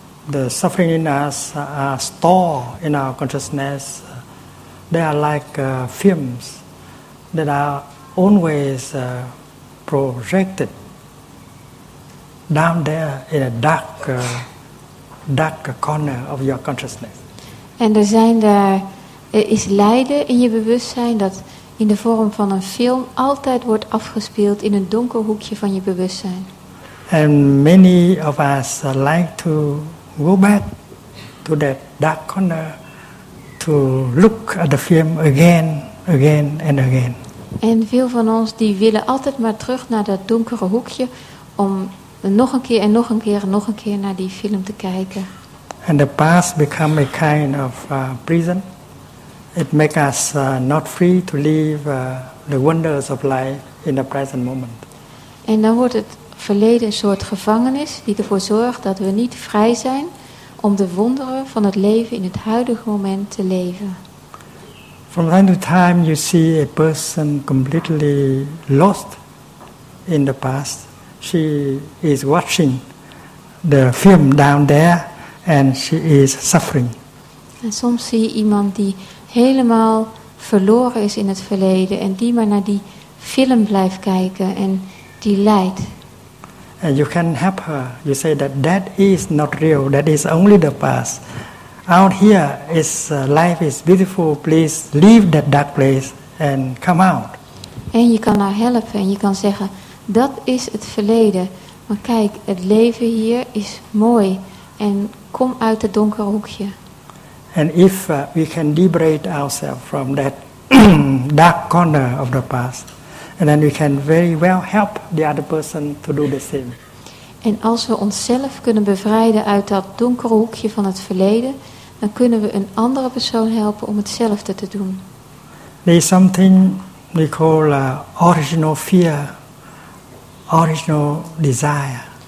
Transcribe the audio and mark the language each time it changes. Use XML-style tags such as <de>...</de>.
<en>The suffering in us are stored in our consciousness. They are like films that are always projected down there in a dark corner of your consciousness.</en> <nl>En is lijden in je bewustzijn dat in de vorm van een film altijd wordt afgespeeld in een donker hoekje van je bewustzijn.</nl> <en>And many of us like to go back to that dark corner to look at the film again, again and again.</en> <nl>En veel van ons die willen altijd maar terug naar dat donkere hoekje om nog een keer en nog een keer en nog een keer naar die film te kijken.</nl> <en>And the past become a kind of prison. It makes us not free to live the wonders of life in the present moment.</en> <nl>En dan wordt het verleden een soort gevangenis die ervoor zorgt dat we niet vrij zijn om de wonderen van het leven in het huidige moment te leven.</nl> <en>From time to time you see a person completely lost in the past. She is watching the film down there and she is suffering.</en> <nl>En soms zie je iemand die helemaal verloren is in het verleden en die maar naar die film blijft kijken en die lijdt.</nl> <en>And you can help her. You say that is not real. That is only the past. Out here is life is beautiful. Please leave that dark place and come out.</en> <nl>En je kan haar helpen en je kan zeggen, dat is het verleden. Maar kijk, het leven hier is mooi. En kom uit het donkere hoekje.</nl> <en>And if we can liberate ourselves from that dark corner of the past, and then we can very well help the other person to do the same.</en> <nl>En als we onszelf kunnen bevrijden uit dat donkere hoekje van het verleden, dan kunnen we een andere persoon helpen om hetzelfde te doen.</nl> <en>There is something we call original fear original desire.</en>